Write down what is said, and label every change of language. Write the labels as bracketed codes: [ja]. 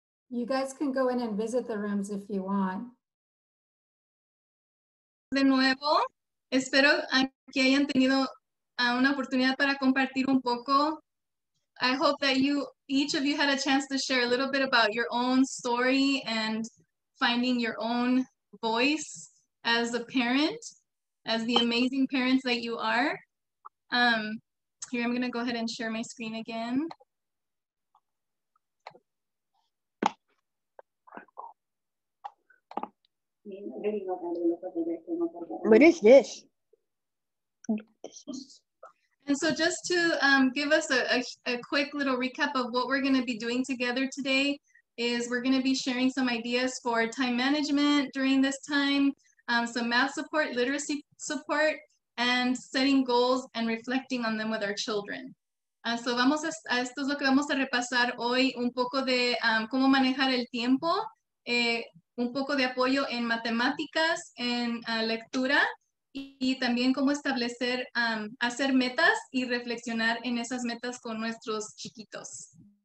[en] You guys can go in and visit the rooms if you want. [es] De nuevo, espero que hayan tenido una oportunidad para compartir un poco. [en] I hope that each of you had a chance to share a little bit about your own story and finding your own voice as a parent, as the amazing parents that you are. Here, I'm going to go ahead and share my screen again. What is this? And so just to give us a quick little recap of what we're going to be doing together today is we're going to be sharing some ideas for time management during this time, some math support, literacy support, and setting goals and reflecting on them with our children. [es] So vamos a esto es lo que vamos a repasar hoy, un poco de cómo manejar el tiempo. Un poco de apoyo en matemáticas, en lectura, y también cómo establecer, hacer metas y reflexionar en esas metas con nuestros chiquitos.